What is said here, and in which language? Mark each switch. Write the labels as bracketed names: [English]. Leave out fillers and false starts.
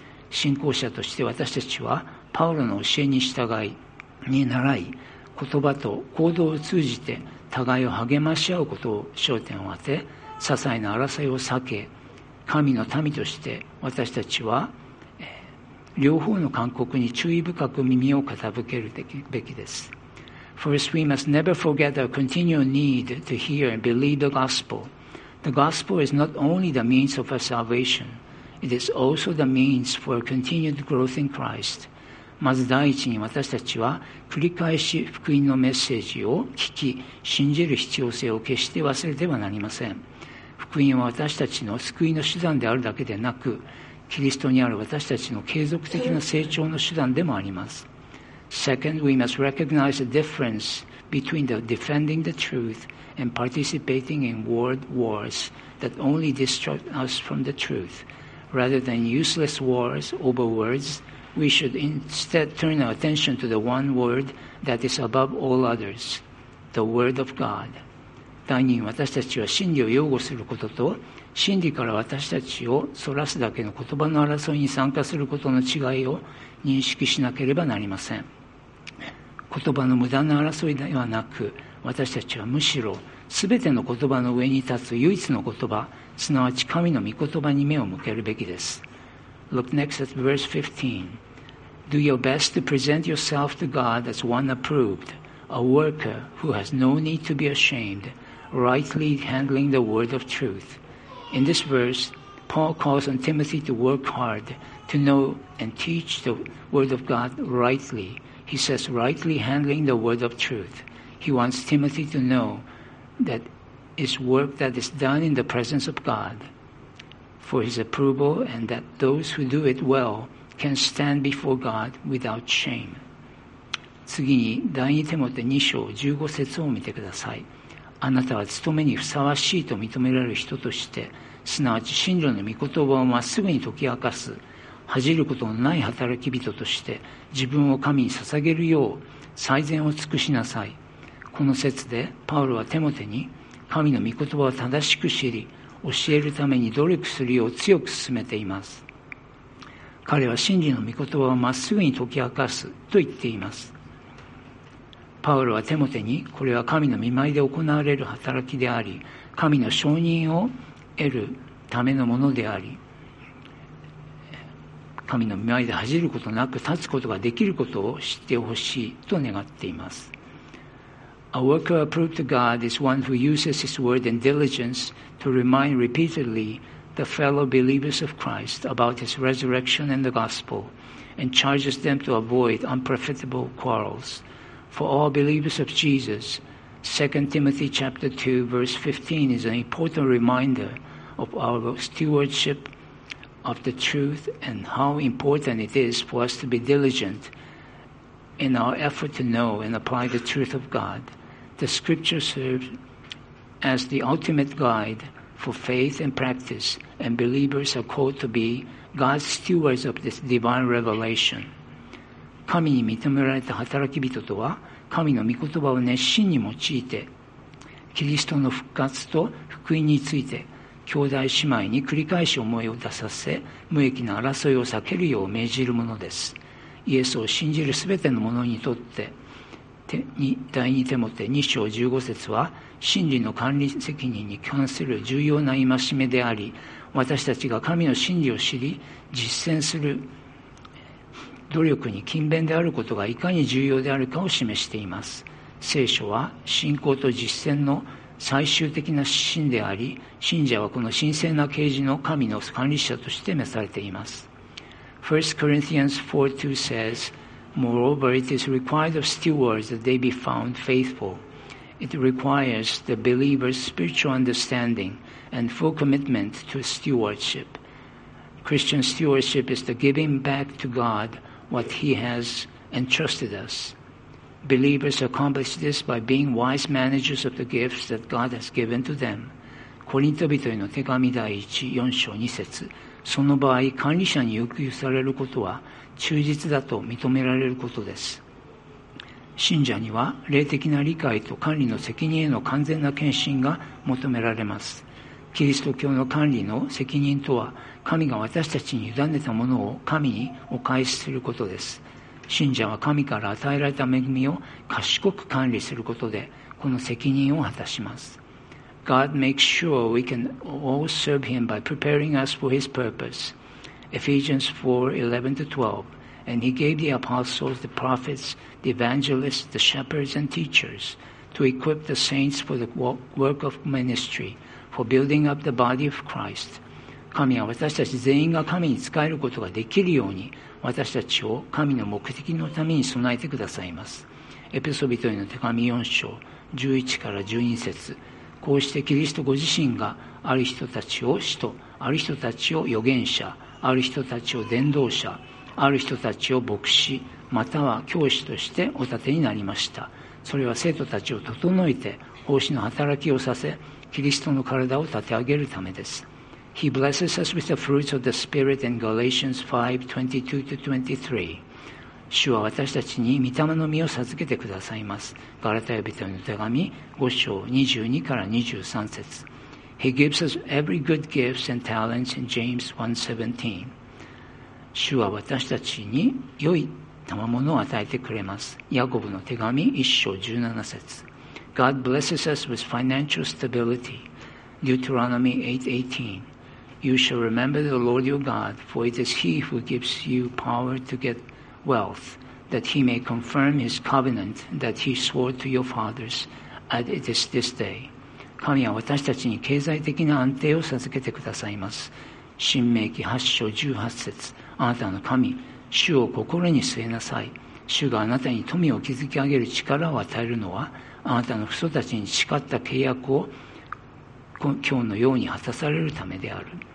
[Japanese] 信仰者として私たちはパウロの教えに従いに習い、言葉と行動を通じて互いを励まし合うことを焦点を当て、些細な争いを避け、神の民として私たちは両方の勧告に注意深く耳を傾けるべきです。 [English] First, we must never forget our continual need to hear and believe the gospel. The gospel is not only the means of our salvation, it is also the means for continued growth in Christ. [Japanese] まず第一に私たちは繰り返し福音のメッセージを聞き信じる必要性を決して忘れてはなりません。福音は私たちの救いの手段であるだけでなく、キリストにある私たちの継続的な成長の手段でもあります。 [English] Second, we must recognize the difference between the defending the truth and participating in world wars that only distract us from the truth. Rather than useless wars over words, we should instead turn our attention to the one word that is above all others, the word of God. [Japanese] 第二、私たちは真理を擁護することと、真理から私たちをそらすだけの言葉の争いに参加することの違いを認識しなければなりません。言葉の無駄な争いではなく、私たちはむしろ全ての言葉の上に立つ唯一の言葉、すなわち神の御言葉に目を向けるべきです。 [English] Look next at verse 15. Do your best to present yourself to God as one approved, a worker who has no need to be ashamed, rightly handling the word of truth. In this verse, Paul calls on Timothy to work hard to know and teach the word of God rightly. He says, rightly handling the word of truth. He wants Timothy to know that it's work that is done in the presence of God for his approval and that those who do it well can stand before God without shame. [Japanese] 次に第2テモテ2章15節を見てください。あなたは務めにふさわしいと認められる人として、すなわち真理の御言葉をまっすぐに解き明かす恥じることのない働き人として自分を神に捧げるよう最善を尽くしなさい。この節でパウロはテモテに神の御言葉を正しく知り教えるために努力するよう強く勧めています。彼は真理の御言葉をまっすぐに解き明かすと言っています。パウロはテモテにこれは神の御前で行われる働きであり、神の承認を得るためのものであり、神の御前で恥じることなく立つことができることを知ってほしいと願っています。 [English] A worker approved to God is one who uses his word and diligence to remind repeatedly the fellow believers of Christ about his resurrection and the gospel and charges them to avoid unprofitable quarrels. For all believers of Jesus, 2 Timothy chapter 2, verse 15 is an important reminder of our stewardship of the truth and how important it is for us to be diligent in our effort to know and apply the truth of God. The scripture serves as the ultimate guide for faith and practice, and believers are called to be God's stewards of this divine revelation. [Japanese] 神に認められた働き人とは、神の御言葉を熱心に用いて、キリストの復活と福音について、兄弟姉妹に繰り返し思いを出させ、無益な争いを避けるよう命じるものです。イエスを信じるすべての者にとって、第2テモテ2章15節は、真理の管理責任に関する重要な戒めであり、私たちが神の真理を知り、実践する、努力に勤勉であることがいかに重要であるかを示しています。聖書は信仰と実践の最終的な指針であり、信者はこの神聖な啓示の神の管理者として召されています。 [English] 1 Corinthians 4:2 says Moreover it is required of stewards that they be found faithful. It requires the believer's spiritual understanding and full commitment to stewardship. Christian stewardship is the giving back to GodWhat he has entrusted us. Believers accomplish this by being wise managers of the gifts that God has given to them. [Japanese] コリント人への手紙第1、4章2節。その場合、管理者に要求されることは忠実だと認められることです。信者には霊的な理解と管理の責任への完全な献身が求められます。キリスト教の管理の責任とは、神が私たちに委ねたものを神にお返しすることです。信者は神から与えられた恵みを賢く管理することで、この責任を果たします。 [English] God makes sure we can all serve him by preparing us for his purpose. Ephesians 4:11-12. And he gave the apostles, the prophets, the evangelists, the shepherds, and teachers to equip the saints for the work of ministry, for building up the body of Christ. [Japanese] 神は私たち全員が神に仕えることができるように、私たちを神の目的のために備えてくださいます。エペソ人への手紙4章11から12節。こうしてキリストご自身がある人たちを使徒、ある人たちを預言者、ある人たちを伝道者、ある人たちを牧師、または教師としてお立てになりました。それは生徒たちを整えて、奉仕の働きをさせ、キリストの体を立て上げるためです。 [English] He blesses us with the fruits of the Spirit in Galatians 5:22-23. [Japanese] 主は私たちに御霊の実を授けてくださいます。ガラタヤ人への手紙5章22から23節。 [English] He gives us every good gift and talents in James 1:17. [Japanese] 主は私たちに良い賜物を与えてくれます。ヤコブの手紙1章17節。 [English] God blesses us with financial stability. Deuteronomy 8:18. You shall remember the Lord your God, for it is He who gives you power to get wealth, that He may confirm His covenant that He swore to your fathers, as it is this day. [Japanese] 神は私たちに経済的な安定を授けてくださいます。申命記8章18節。あなたの神、主を心に据えなさい。主があなたに富を築き上げる力を与えるのは、あなたの父祖たちに誓った契約を今日のように果たされるためである。